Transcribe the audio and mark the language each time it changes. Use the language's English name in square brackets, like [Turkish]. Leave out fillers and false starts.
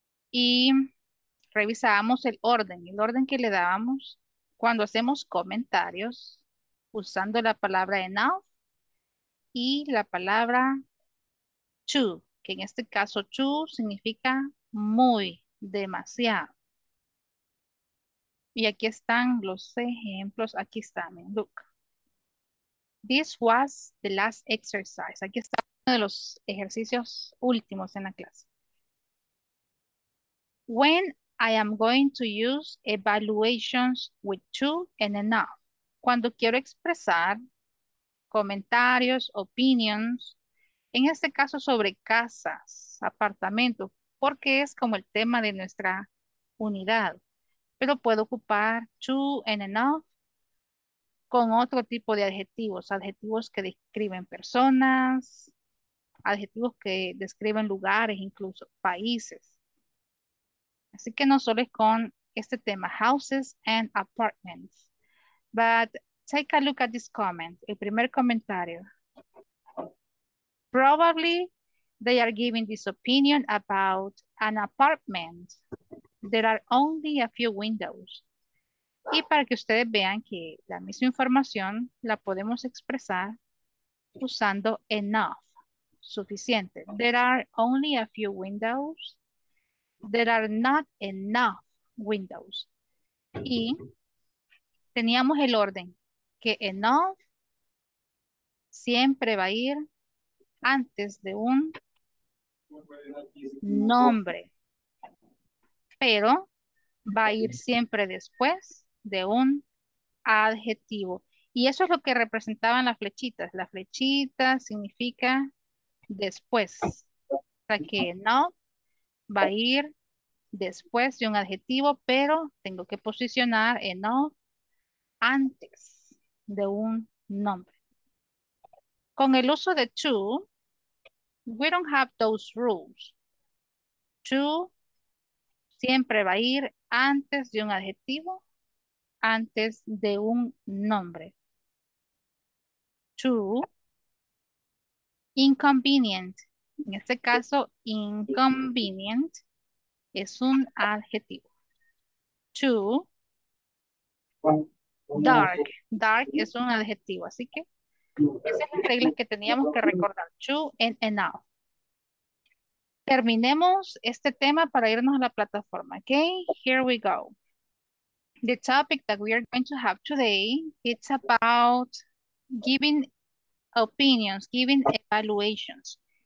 [Spanish] Y revisábamos el orden que le dábamos cuando hacemos comentarios usando la palabra enough y la palabra to, que en este caso to significa muy, demasiado. Y aquí están los ejemplos, aquí está, mi look. [English] This was the last exercise. [Spanish] Aquí está uno de los ejercicios últimos en la clase. [English] When I am going to use evaluations with to and enough. [Spanish] Cuando quiero expresar comentarios, opinions, en este caso sobre casas, apartamentos, porque es como el tema de nuestra unidad. Pero puedo ocupar to and enough con otro tipo de adjetivos, adjetivos que describen personas, adjetivos que describen lugares, incluso países. Así que no solo es con este tema, [English] houses and apartments. But take a look at this comment, [Spanish] el primer comentario. [English] Probably they are giving this opinion about an apartment. There are only a few windows. [Spanish] Y para que ustedes vean que la misma información la podemos expresar usando enough, suficiente. [English] There are only a few windows. There are not enough windows. [Spanish] Y teníamos el orden que enough siempre va a ir antes de un nombre, pero va a ir siempre después de un adjetivo. Y eso es lo que representaban las flechitas. La flechita significa después. sea que no va a ir después de un adjetivo, pero tengo que posicionar el no antes de un nombre. Con el uso de [English] to, we don't have those rules. [Spanish] To siempre va a ir antes de un adjetivo, antes de un nombre. [English] To, inconvenient. [Spanish] En este caso, inconvenient es un adjetivo. [English] To, dark. [Spanish] Dark es un adjetivo. Así que esas son las reglas que teníamos que recordar. To and enough. Terminemos este tema para irnos a la plataforma. [English] Okay, here we go. The topic that we are going to have today, it's about giving opinions, giving evaluations.